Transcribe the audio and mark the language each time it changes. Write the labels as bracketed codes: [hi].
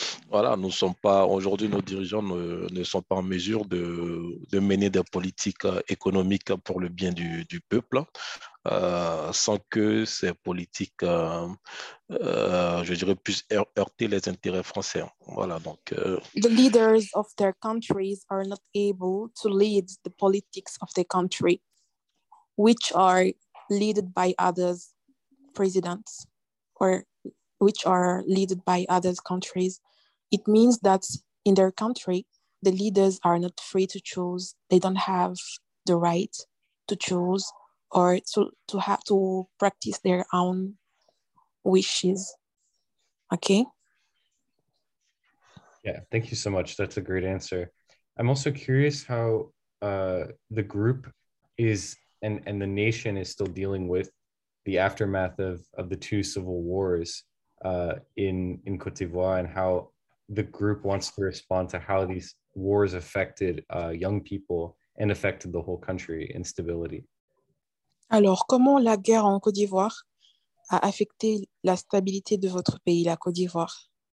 [fr] Voilà, nous sommes pas aujourd'hui, nos dirigeants ne sont pas en mesure de mener des politiques économiques pour le bien du peuple sans que ces politiques je dirais puissent heurter les intérêts français. Voilà, donc [en] the leaders of their countries are not able to lead the politics of their country, which are led by others presidents or which are led by other countries. It means that in their country, the leaders are not free to choose. They don't have the right to choose or to have to practice their own wishes. Okay? Yeah, thank you so much. That's a great answer. I'm also curious how the group is and the nation is still dealing with the aftermath of the two civil wars in Côte d'Ivoire, and how the group wants to respond to how these wars affected young people and affected the whole country in stability. [fr] Alors, comment la guerre en Côte d'Ivoire a affecté la stabilité de votre pays, la Côte d'Ivoire?